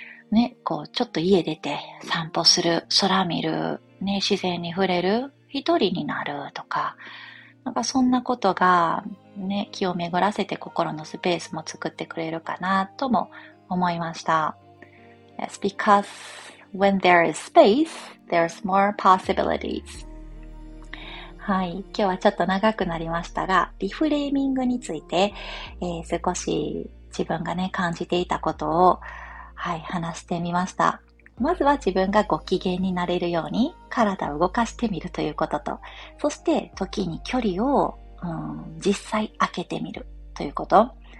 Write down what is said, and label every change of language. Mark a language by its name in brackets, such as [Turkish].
[Japanese] ね、こうちょっと家出て散歩する、空見る、ね、自然に触れる、一人になるとか、なんかそんなことがね、気を巡らせて心のスペースも作ってくれるかなとも思いました。 [English] Yes, because when there is space, there's more possibilities. [Japanese] はい、今日はちょっと長くなりましたが、リフレーミングについて、少し自分がね感じていたことを、はい、話してみました。まずは自分がご機嫌になれるように体を動かしてみるということと、そして時に距離を、実際開けてみるということ。